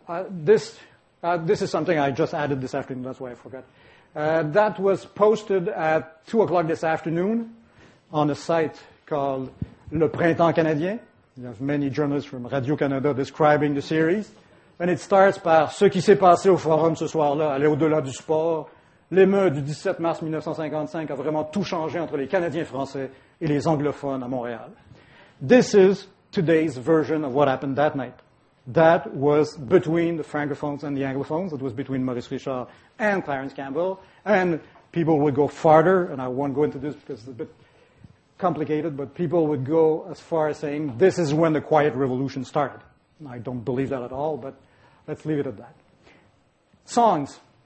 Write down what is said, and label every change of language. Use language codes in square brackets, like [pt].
[en] This is something I just added this afternoon, that's why I forgot. That was posted at 2 o'clock this afternoon on a site called Le Printemps Canadien. You have many journalists from Radio-Canada describing the series. And it starts by [fr] Ce qui s'est passé au forum ce soir-là allait au-delà du sport. L'émeute du 17 mars 1955 a vraiment tout changé entre les Canadiens français et les anglophones à Montréal. [en] This is today's version of what happened that night. That was between the Francophones and the Anglophones. It was between Maurice Richard and Clarence Campbell. And people would go farther, and I won't go into this because it's a bit complicated, but people would go as far as saying, this is when the Quiet Revolution started. I don't believe that at all, but Let's leave it at that. Songs.